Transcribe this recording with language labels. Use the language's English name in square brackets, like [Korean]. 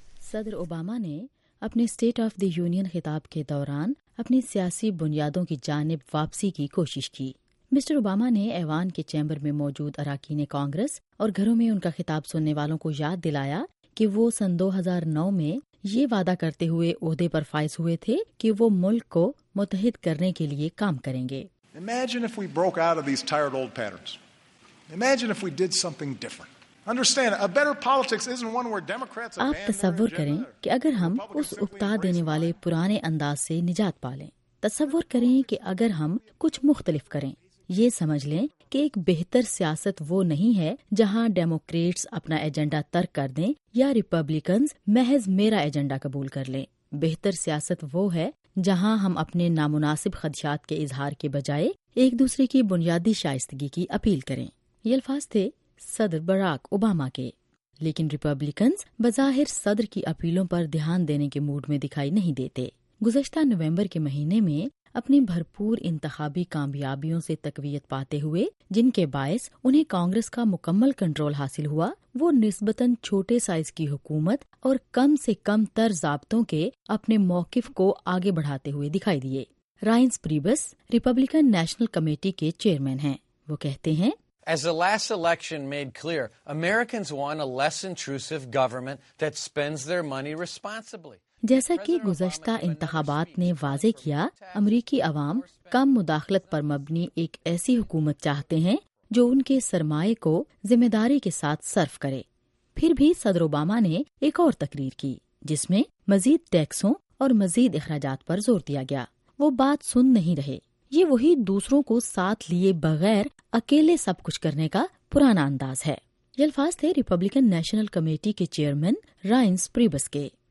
[Urdu] صدر اوباما نے اپنے اسٹیٹ آف دی یونین خطاب کے دوران اپنی سیاسی بنیادوں کی جانب واپسی کی کوشش کی۔ مسٹر اوباما نے ایوان کے چیمبر میں موجود اراکین کانگریس اور گھروں میں ان کا خطاب سننے والوں کو یاد دلایا کہ وہ سن 2009 میں یہ وعدہ کرتے ہوئے عہدے پر فائز ہوئے تھے کہ وہ ملک کو متحد کرنے کے لیے کام کریں گے۔ [English] Imagine if we broke out of these tired old patterns. Imagine if we did something different. Understand, a better politics isn't one where Democrats [Urdu] آپ تصور کریں کہ اگر ہم اس اکتا دینے والے پرانے انداز سے نجات پا لیں، تصور کریں کہ اگر ہم کچھ مختلف کریں، یہ سمجھ لیں کہ ایک بہتر سیاست وہ نہیں ہے جہاں ڈیموکریٹس اپنا ایجنڈا ترک کر دیں یا ریپبلیکنز محض میرا ایجنڈا قبول کر لیں۔ بہتر سیاست وہ ہے جہاں ہم اپنے نامناسب خدشات کے اظہار کے بجائے ایک دوسرے کی بنیادی شائستگی کی اپیل کریں۔ یہ الفاظ تھے صدر باراک اوباما کے، لیکن ریپبلیکنز بظاہر صدر کی اپیلوں پر دھیان دینے کے موڈ میں دکھائی نہیں دیتے۔ گزشتہ نومبر کے مہینے میں اپنی بھرپور انتخابی کامیابیوں سے تقویت پاتے ہوئے، جن کے باعث انہیں کانگریس کا مکمل کنٹرول حاصل ہوا، وہ نسبتاً چھوٹے سائز کی حکومت اور کم سے کم تر ضابطوں کے اپنے موقف کو آگے بڑھاتے ہوئے دکھائی دیے۔ رائنز پریبس ریپبلکن نیشنل کمیٹی کے چیئرمین ہیں، وہ کہتے ہیں [English] As the last election made clear, Americans want a less intrusive government that spends their money responsibly. [Urdu] جیسا کہ گزشتہ انتخابات نے واضح کیا، امریکی عوام کم مداخلت پر مبنی ایک ایسی حکومت چاہتے ہیں جو ان کے سرمایے کو ذمہ داری کے ساتھ صرف کرے۔ پھر بھی صدر اوباما نے ایک اور تقریر کی جس میں مزید ٹیکسوں اور مزید اخراجات پر زور دیا گیا۔ وہ بات سن نہیں رہے، یہ وہی دوسروں کو ساتھ لیے بغیر اکیلے سب کچھ کرنے کا پرانا انداز ہے۔ یہ الفاظ تھے ریپبلکن نیشنل کمیٹی کے چیئرمین رائنز پریبس کے۔